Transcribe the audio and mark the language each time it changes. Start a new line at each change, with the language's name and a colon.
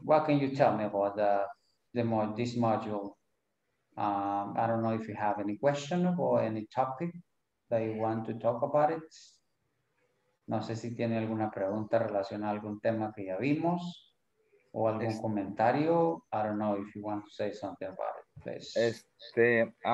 English: What can you tell me about this module? I don't know if you have any question or any topic that you want to talk about it.
Spanish: No sé si tiene alguna pregunta relacionada a algún tema que ya vimos o algún comentario.
English: I don't know if you want to say something about it, please.